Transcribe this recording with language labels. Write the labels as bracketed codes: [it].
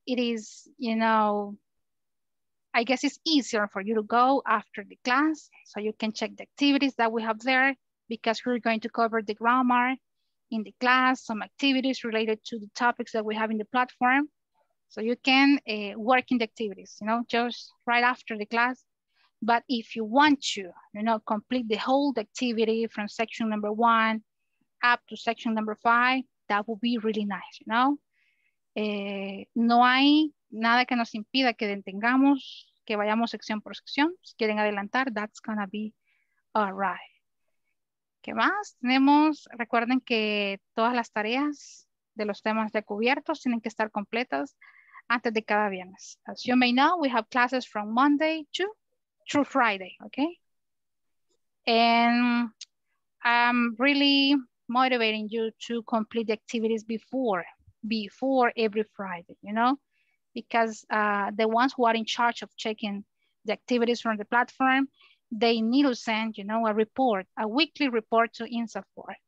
[en] It is, you know, I guess it's easier for you to go after the class so you can check the activities that we have there, because we're going to cover the grammar in the class, some activities related to the topics that we have in the platform. So you can work in the activities, you know, just right after the class. But if you want to, you know, complete the whole activity from section number one up to section number five, that would be really nice, you know? [es] No hay nada que nos impida que detengamos, que vayamos sección por sección. Si quieren adelantar, [en] that's gonna be all right. [es] ¿Qué más tenemos? Recuerden que todas las tareas de los temas de cubiertos tienen que estar completas antes de cada viernes. [en] As you may know, we have classes from Monday to through Friday, okay? And I'm really motivating you to complete the activities before every Friday, you know? Because the ones who are in charge of checking the activities from the platform, they need to send, you know, a report, a weekly report to INSAFORP.